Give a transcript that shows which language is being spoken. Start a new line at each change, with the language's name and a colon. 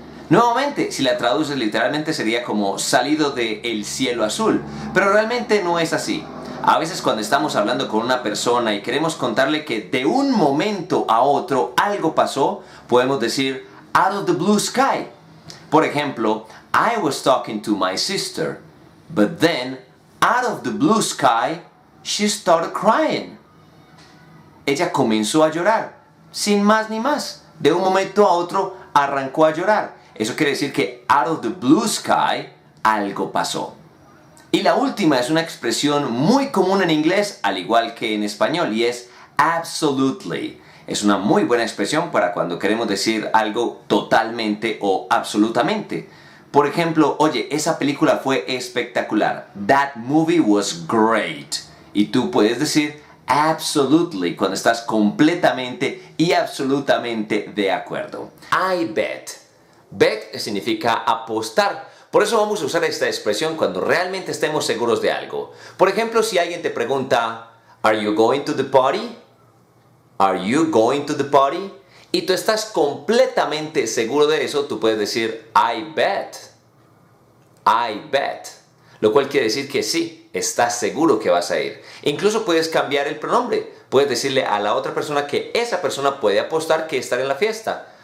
Spanish: Nuevamente, si la traduces literalmente sería como salido del cielo azul, pero realmente no es así. A veces cuando estamos hablando con una persona y queremos contarle que de un momento a otro algo pasó, podemos decir out of the blue sky. Por ejemplo,
English: I was talking to my sister, but then out of the blue sky, she started crying.
Spanish: Ella comenzó a llorar, sin más ni más. De un momento a otro arrancó a llorar. Eso quiere decir que out of the blue sky algo pasó. Y la última es una expresión muy común en inglés, al igual que en español, y es absolutely. Es una muy buena expresión para cuando queremos decir algo totalmente o absolutamente. Por ejemplo, oye, esa película fue espectacular.
English: That movie was great.
Spanish: Y tú puedes decir absolutely cuando estás completamente y absolutamente de acuerdo. I bet. Bet significa apostar. Por eso vamos a usar esta expresión cuando realmente estemos seguros de algo. Por ejemplo, si alguien te pregunta,
English: are you going to the party?
Spanish: Are you going to the party? Y tú estás completamente seguro de eso, tú puedes decir,
English: I bet. I bet.
Spanish: Lo cual quiere decir que sí, estás seguro que vas a ir. Incluso puedes cambiar el pronombre. Puedes decirle a la otra persona que esa persona puede apostar que estará en la fiesta.